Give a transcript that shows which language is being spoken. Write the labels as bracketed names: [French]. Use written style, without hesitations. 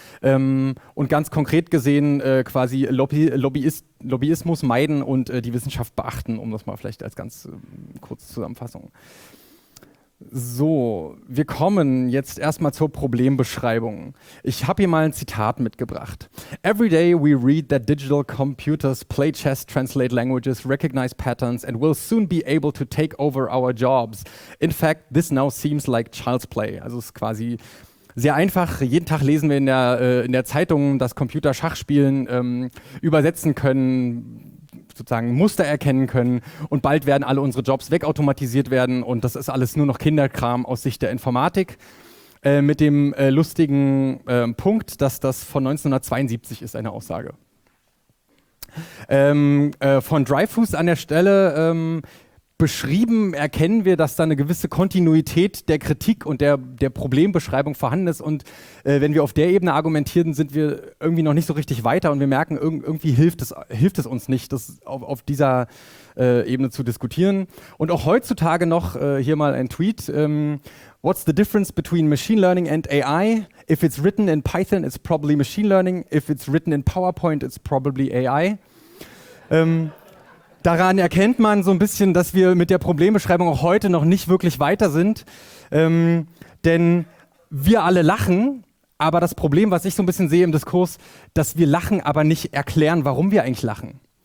[German] Und ganz konkret gesehen, quasi Lobbyismus meiden und die Wissenschaft beachten, um das mal vielleicht als ganz kurze Zusammenfassung. So, wir kommen jetzt erstmal zur Problembeschreibung. Ich habe hier mal ein Zitat mitgebracht. [English] Every day we read that digital computers play chess, translate languages, recognize patterns and will soon be able to take over our jobs. In fact, this now seems like child's play. [German] Also es ist quasi sehr einfach. Jeden Tag lesen wir in der Zeitung, dass Computer Schach spielen, übersetzen können, sozusagen Muster erkennen können und bald werden alle unsere Jobs wegautomatisiert werden und das ist alles nur noch Kinderkram aus Sicht der Informatik. Mit dem lustigen Punkt, dass das von 1972 ist, eine Aussage. Von Dreyfus an der Stelle beschrieben erkennen wir, dass da eine gewisse Kontinuität der Kritik und der Problembeschreibung vorhanden ist. Und wenn wir auf der Ebene argumentieren, sind wir irgendwie noch nicht so richtig weiter und wir merken, irgendwie hilft es uns nicht, das auf dieser Ebene zu diskutieren. Und auch heutzutage noch hier mal ein Tweet: [English] What's the difference between machine learning and AI? If it's written in Python, it's probably machine learning. If it's written in PowerPoint, it's probably AI. [German] Daran erkennt man so ein bisschen, dass wir mit der Problembeschreibung auch heute noch nicht wirklich weiter sind. Denn wir alle lachen, aber das Problem, was ich so ein bisschen sehe im Diskurs, dass wir lachen, aber nicht erklären, warum wir eigentlich lachen.